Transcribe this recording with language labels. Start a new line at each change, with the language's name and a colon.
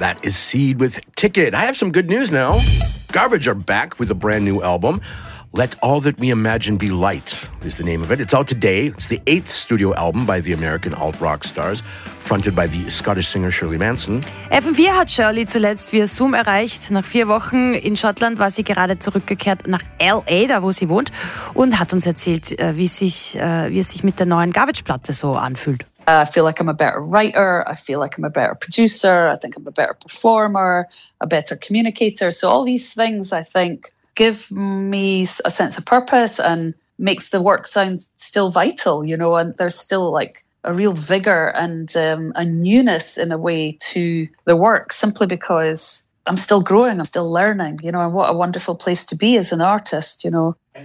English: Seed with Ticket. I have some good news now. Garbage are back with a brand new album. Let All That We Imagine Be Light is the name of it. It's out today. It's the 8th studio album by the American alt-rock stars, fronted by the Scottish singer Shirley Manson.
German: FM4 hat Shirley zuletzt via Zoom erreicht. Nach 4 Wochen in Schottland war sie gerade zurückgekehrt nach L.A., da wo sie wohnt, und hat uns erzählt, wie es sich mit der neuen Garbage-Platte so anfühlt.
English: I feel like I'm a better writer, I feel like I'm a better producer, I think I'm a better performer, a better communicator. So all these things, I think, give me a sense of purpose and makes the work sound still vital, you know, and there's still like a real vigor and a newness in a way to the work, simply because I'm still growing, I'm still learning, you know, and what a wonderful place to be as an artist, you know.